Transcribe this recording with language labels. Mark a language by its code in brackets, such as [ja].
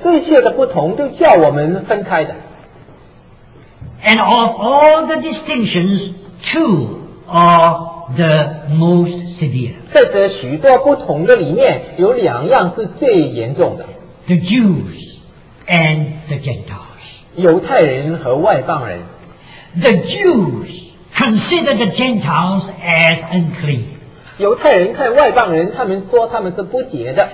[zh] 这些的不同都叫我们分开的。 [en] And of all the distinctions, two are the most severe. [zh] 在这许多不同的里面，有两样是最严重的。 [en] The Jews and the Gentiles. [zh] 犹太人和外邦人。 [en] The Jews consider the Gentiles as unclean. [zh] 犹太人看外邦人，他们说他们是不洁的。